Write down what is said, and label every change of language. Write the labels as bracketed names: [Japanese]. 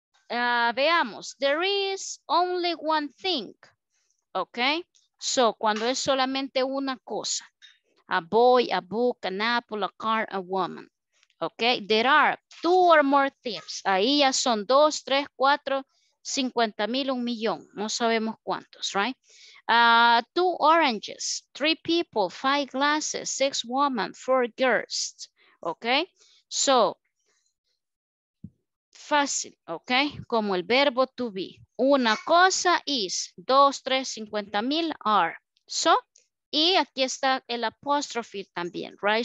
[Spanish] Veamos. [English] There is only one thing. Ok. So, [Spanish] cuando es solamente una cosa. [English] A boy, a book, an apple, a car, a woman. Ok. There are two or more things. [Spanish] Ahí ya son dos, tres, cuatro, 50,000, un millón. No sabemos cuántos, right? [English] Two oranges, three people, five glasses, six women, four girls. Ok. [Spanish] So, fácil, ok, como el verbo to be. Una cosa is, dos, tres, 50,000 are. So, y aquí está el apóstrofe también, right?